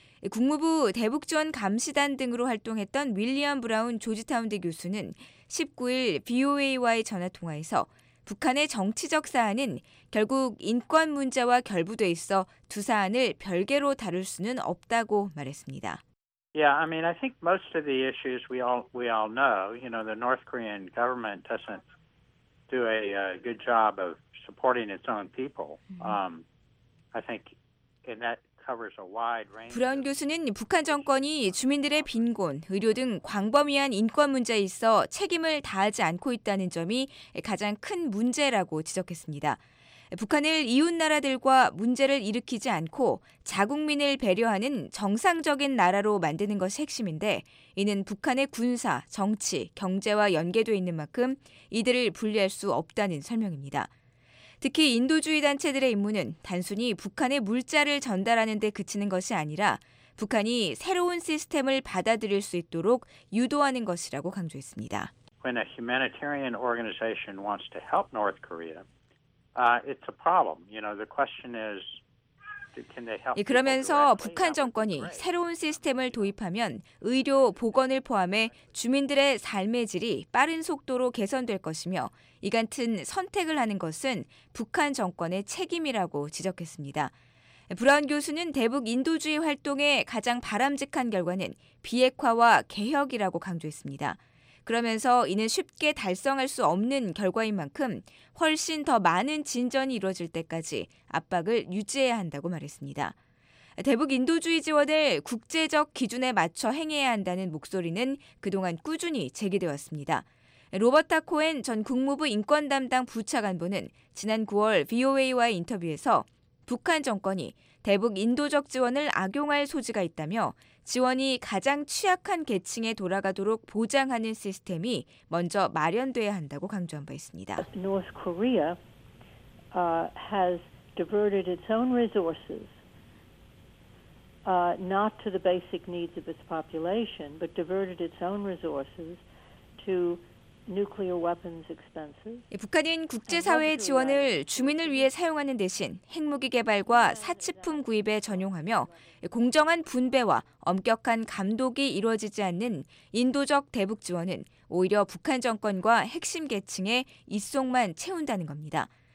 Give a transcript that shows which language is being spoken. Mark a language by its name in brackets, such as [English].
[Korean] 국무부 대북지원감시단 등으로 활동했던 윌리엄 브라운 조지타운대 교수는 19일 BOA와의 전화통화에서 북한의 정치적 사안은 결국 인권 문제와 결부돼 있어 두 사안을 별개로 다룰 수는 없다고 말했습니다. [English] Yeah, I mean, I think most of the issues we all know, you know, the North Korean government doesn't do a good job of supporting its own people. I think and that covers a wide range. [Korean] 브라운 교수는 북한 정권이 주민들의 빈곤, 의료 등 광범위한 인권 문제에 있어 책임을 다하지 않고 있다는 점이 가장 큰 문제라고 지적했습니다. 북한을 이웃나라들과 문제를 일으키지 않고 자국민을 배려하는 정상적인 나라로 만드는 것이 핵심인데 이는 북한의 군사, 정치, 경제와 연계돼 있는 만큼 이들을 분리할 수 없다는 설명입니다. 특히 인도주의 단체들의 임무는 단순히 북한의 물자를 전달하는 데 그치는 것이 아니라 북한이 새로운 시스템을 받아들일 수 있도록 유도하는 것이라고 강조했습니다. [English] When a humanitarian organization wants to help North Korea, it's a problem. You know, the question is, can they help? [Korean] 그러면서 북한 정권이 새로운 시스템을 도입하면 의료 보건을 포함해 주민들의 삶의 질이 빠른 속도로 개선될 것이며 이 같은 선택을 하는 것은 북한 정권의 책임이라고 지적했습니다. 브라운 교수는 대북 인도주의 활동의 가장 바람직한 결과는 비핵화와 개혁이라고 강조했습니다. 그러면서 이는 쉽게 달성할 수 없는 결과인 만큼 훨씬 더 많은 진전이 이루어질 때까지 압박을 유지해야 한다고 말했습니다. 대북 인도주의 지원을 국제적 기준에 맞춰 행해야 한다는 목소리는 그동안 꾸준히 제기되었습니다. 로버타 코엔 전 국무부 인권 담당 부차관보는 지난 9월 VOA와의 인터뷰에서 북한 정권이 대북 인도적 지원을 악용할 소지가 있다며 지원이 가장 취약한 계층에 돌아가도록 보장하는 시스템이 먼저 마련돼야 한다고 강조한 바 있습니다. [English] North Korea has diverted its own resources not to the basic needs of its population, but diverted its own resources to nuclear weapons expenses. [Korean] 북한은 국제사회의 지원을 주민을 위해 사용하는 대신 핵무기 개발과 사치품 구입에 전용하며 공정한 분배와 엄격한 감독이 이루어지지 않는 인도적 대북 지원은 오히려 북한 정권과 핵심 계층의 이속만 채운다는 겁니다.